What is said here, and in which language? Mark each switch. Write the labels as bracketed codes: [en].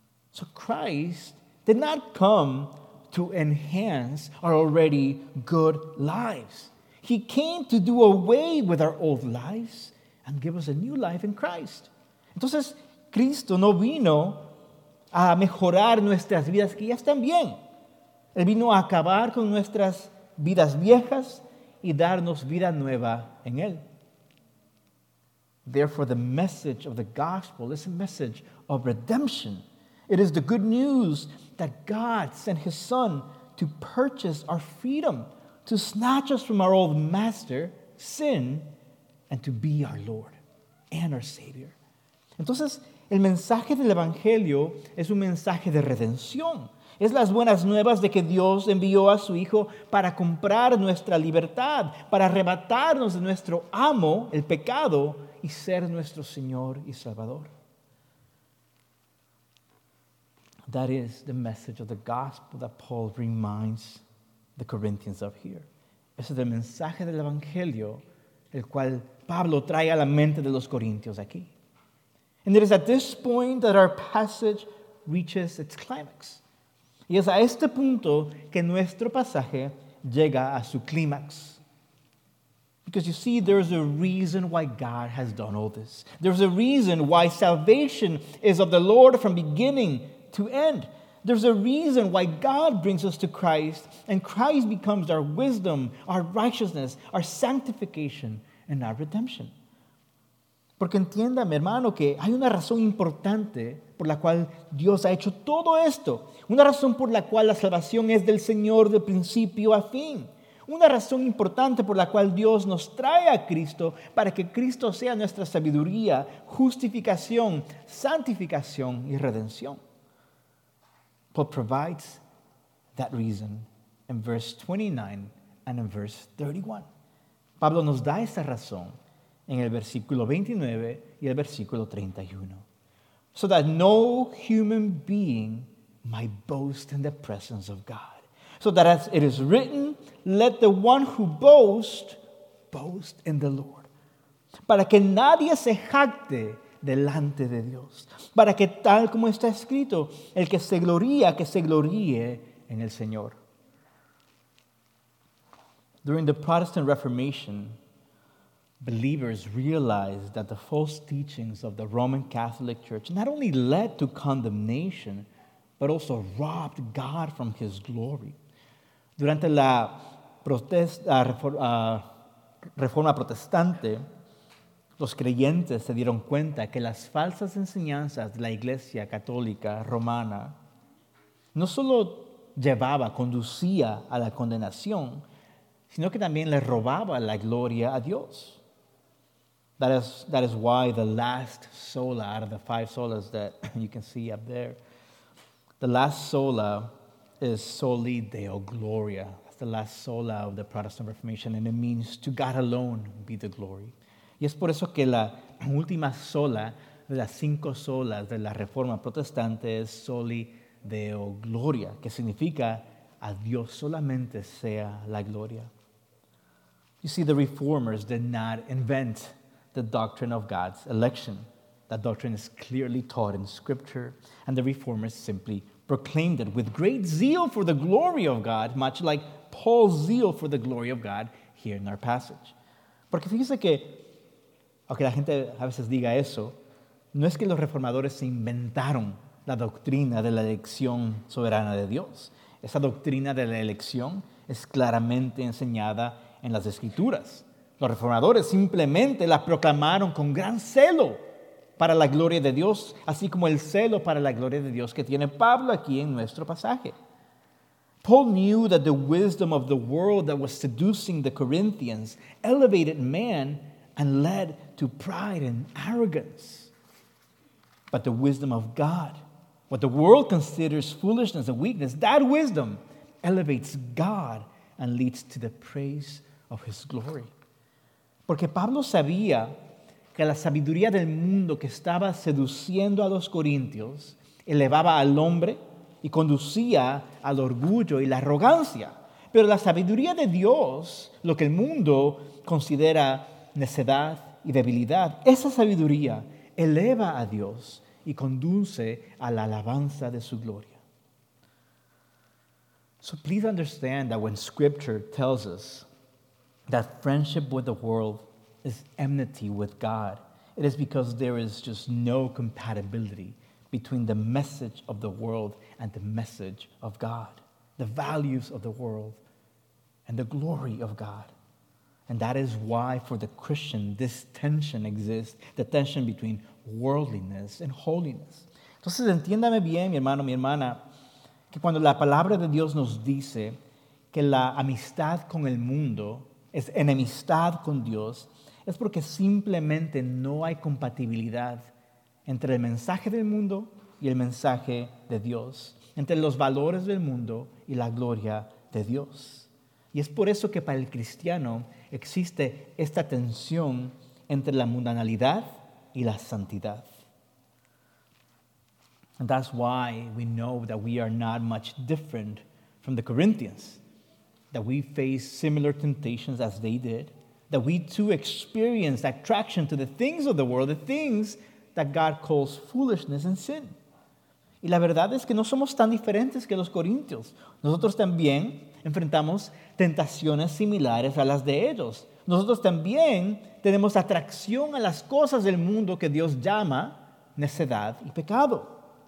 [en] So Christ did not come to enhance our already good lives. He came to do away with our old lives and give us a new life in Christ. [es] Entonces, Cristo no vino a mejorar nuestras vidas que ya están bien. Él vino a acabar con nuestras vidas viejas y darnos vida nueva en Él. [en] Therefore, the message of the gospel is a message of redemption. It is the good news that God sent His Son to purchase our freedom, to snatch us from our old master, sin, and to be our Lord and our Savior. [es] Entonces, el mensaje del Evangelio es un mensaje de redención. Es las buenas nuevas de que Dios envió a su Hijo para comprar nuestra libertad, para arrebatarnos de nuestro amo, el pecado, y ser nuestro Señor y Salvador. [en] That is the message of the gospel that Paul reminds the Corinthians of here. [es] Ese es el mensaje del Evangelio, el cual Pablo trae a la mente de los corintios aquí. [en] And it is at this point that our passage reaches its climax. [es] Y es a este punto que nuestro pasaje llega a su clímax. [en] Because you see, there's a reason why God has done all this. There's a reason why salvation is of the Lord from beginning to end. There's a reason why God brings us to Christ, and Christ becomes our wisdom, our righteousness, our sanctification, and our redemption. [es] Porque entienda, mi hermano, que hay una razón importante por la cual Dios ha hecho todo esto. Una razón por la cual la salvación es del Señor de principio a fin. Una razón importante por la cual Dios nos trae a Cristo para que Cristo sea nuestra sabiduría, justificación, santificación y redención. [en] Paul provides that reason in verse 29 and in verse 31. [es] Pablo nos da esa razón en el versículo 29 y el versículo 31. [en] So that no human being might boast in the presence of God. So that as it is written, let the one who boasts, boast in the Lord. [es] Para que nadie se jacte delante de Dios. Para que tal como está escrito, el que se gloríe en el Señor. [en] During the Protestant Reformation, believers realized that the false teachings of the Roman Catholic Church not only led to condemnation, but also robbed God from his glory. [es] Durante la Reforma Protestante, los creyentes se dieron cuenta que las falsas enseñanzas de la Iglesia Católica Romana no solo conducía a la condenación, sino que también le robaba la gloria a Dios. [en] That is why the last sola, out of the five solas that you can see up there, the last sola is Soli Deo Gloria. That's the last sola of the Protestant Reformation, and it means to God alone be the glory. [es] Y es por eso que la última sola de las cinco solas de la Reforma Protestante es Soli Deo Gloria, que significa a Dios solamente sea la gloria. [en] You see, the reformers did not invent the doctrine of God's election. That doctrine is clearly taught in Scripture, and the reformers simply proclaimed it with great zeal for the glory of God, much like Paul's zeal for the glory of God here in our passage. [es] Porque fíjese que, aunque la gente a veces diga eso, no es que los reformadores se inventaron la doctrina de la elección soberana de Dios. Esa doctrina de la elección es claramente enseñada en las Escrituras. Los reformadores simplemente la proclamaron con gran celo para la gloria de Dios, así como el celo para la gloria de Dios que tiene Pablo aquí en nuestro pasaje. [en] Paul knew that the wisdom of the world that was seducing the Corinthians elevated man and led to pride and arrogance. But the wisdom of God, what the world considers foolishness and weakness, that wisdom elevates God and leads to the praise of his glory. [es] Porque Pablo sabía que la sabiduría del mundo que estaba seduciendo a los corintios elevaba al hombre y conducía al orgullo y la arrogancia. Pero la sabiduría de Dios, lo que el mundo considera necedad y debilidad, esa sabiduría eleva a Dios y conduce a la alabanza de su gloria. [en] So please understand that when Scripture tells us that friendship with the world is enmity with God, it is because there is just no compatibility between the message of the world and the message of God, the values of the world and the glory of God. And that is why for the Christian, this tension exists, the tension between worldliness and holiness. [es] Entonces, entiéndame bien, mi hermano, mi hermana, que cuando la palabra de Dios nos dice que la amistad con el mundo es enemistad con Dios, es porque simplemente no hay compatibilidad entre el mensaje del mundo y el mensaje de Dios, entre los valores del mundo y la gloria de Dios. Y es por eso que para el cristiano existe esta tensión entre la mundanalidad y la santidad. [en] And that's why we know that we are not much different from the Corinthians, that we face similar temptations as they did, that we too experience attraction to the things of the world, the things that God calls foolishness and sin. [es] Y la verdad es que no somos tan diferentes que los corintios. Nosotros también enfrentamos tentaciones similares a las de ellos. Nosotros también tenemos atracción a las cosas del mundo que Dios llama necedad y pecado.